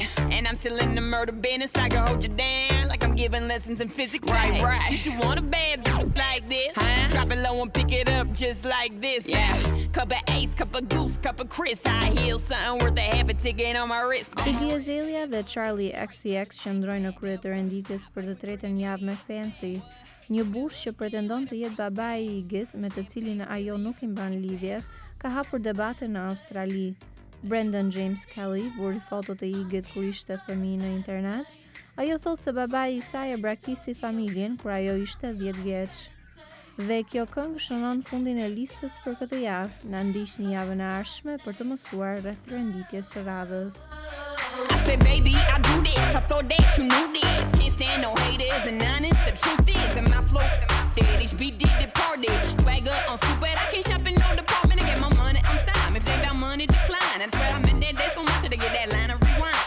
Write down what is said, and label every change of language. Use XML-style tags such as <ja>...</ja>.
<en>And I'm still in the murder business, I can hold you down like I'm giving lessons in physics. Right, right. You should want a bad bitch like this. Drop it low and pick it up just like this. Yeah. Cup of Ace, cup of Goose, cup of Chris. I heal something worth a half a ticket on my wrist.</en> <sq>Iggy Azalea dhe Charlie XCX qëndrojnë në krye të renditjes për të tretën javë me Fancy. Një burrë që pretendon të jetë baba e Iggy-t, me të cilin ajo nuk i mban lidhje, ka hapur debate në Australi. Brandon James Kelly vuri fotot e Iggy-t kur ishte fëmijë në internet. Ajo thotë se baba i saj e braktisi familjen kur ajo ishte 10 vjeç. Dhe kjo këngë shënon fundin e listës për këtë javë. Na ndiqni javën e ardhshme për të mësuar rreth renditjes së radhës.</sq> <en>I said, baby, I do this, I thought that you knew this. Can't stand no haters, and honest, the truth is that my flow, that my fetish, be did departed. Swagger on stupid, I can't shop in no department and get my money on time. If they got money, decline. That's why I'm in that day so much, to get that line of rewind.</en>